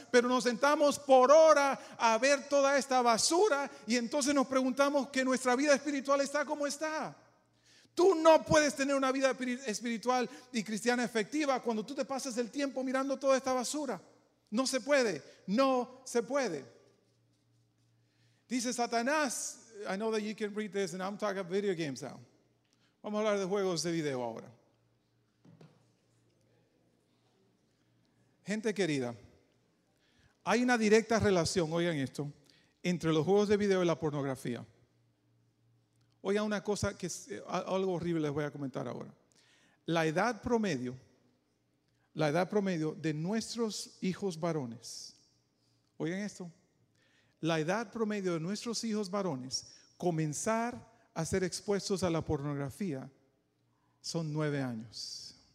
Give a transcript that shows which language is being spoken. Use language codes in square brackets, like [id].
[es] Pero nos sentamos por hora a ver toda esta basura y entonces nos preguntamos que nuestra vida espiritual está como está. Tú no puedes tener una vida espiritual y cristiana efectiva cuando tú te pasas el tiempo mirando toda esta basura. No se puede, no se puede. Dice Satanás, [en] I know that you can read this and I'm talking about video games now. [es] Vamos a hablar de juegos de video ahora. Gente querida, hay una directa relación, oigan esto, entre los juegos de video y la pornografía. Oigan una cosa, que es algo horrible, les voy a comentar ahora. La edad promedio de nuestros hijos varones, oigan esto, la edad promedio de nuestros hijos varones comenzar a ser expuestos a la pornografía son 9 años.